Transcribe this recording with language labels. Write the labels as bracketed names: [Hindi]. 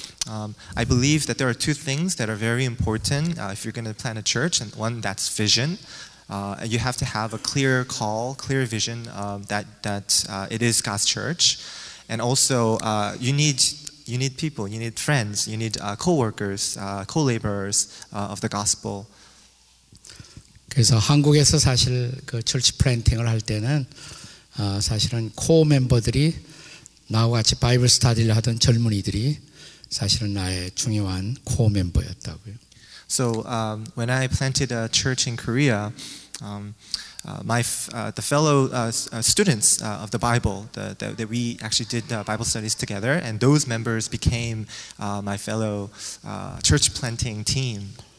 [English] I believe that there are two things that are very important if you're going to plant a church, and one that's vision. You have to have a clear call, clear vision that it is God's church, and also you need people, you need friends, you need co-workers, co-laborers of the gospel. [Korean] 그래서 한국에서 사실 그 church planting을 할 때는 사실은 코어 멤버들이 나와 같이 바이블 스터디를 하던 젊은이들이 사실은 나의 중요한 코어 멤버였다고요. [English] So when I planted a church in Korea, the fellow students of the Bible that we actually did Bible studies together, and those members became my fellow church planting team.